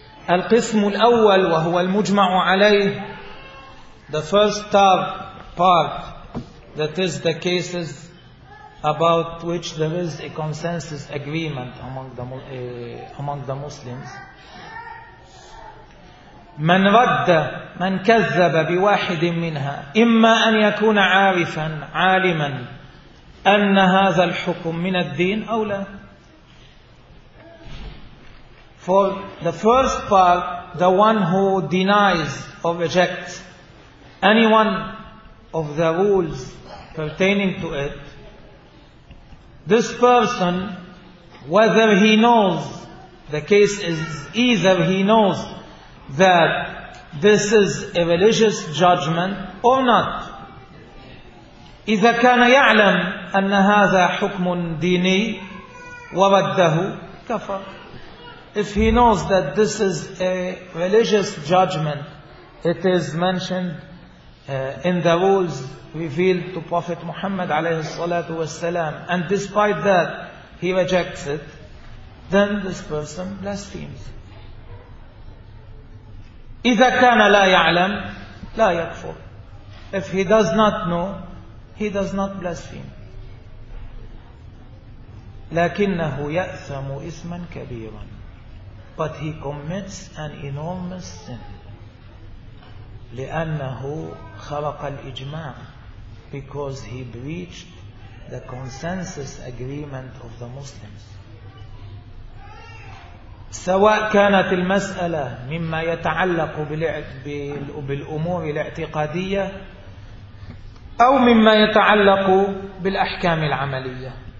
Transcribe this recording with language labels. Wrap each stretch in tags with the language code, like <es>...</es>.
<ar>القسم الأول وهو المجمع عليه.</ar> <en>The first part, that is the cases about which there is a consensus agreement among the Muslims.</en> <ar>من رد من كذب بواحد منها إما أن يكون عارفا عالما أن هذا الحكم من الدين أو لا.</ar> <en>For the first part, the one who denies or rejects any one of the rules pertaining to it, this person, whether he knows, the case is either he knows that this is a religious judgment or not.</en> <ar>إذا كان يعلم أن هذا حكم ديني ورده كفر.</ar> <en>If he knows that this is a religious judgment, it is mentioned in the rules revealed to Prophet Muhammad</en> <ar>عليه الصلاة والسلام,</ar> <en>and despite that he rejects it, then this person blasphemes.</en> <ar>إذا كان لا يعلم لا يكفر.</ar> <en>If he does not know, he does not blaspheme.</en> <ar>لكنه يأثم إثما كبيرا.</ar> <en>But he commits an enormous sin.</en> <ar>لأنه خرق الإجماع.</ar> <en>Because he breached the consensus agreement of the Muslims.</en> <ar>سواء كانت المسألة مما يتعلق بالأمور الاعتقادية أو مما يتعلق بالأحكام العملية.</ar>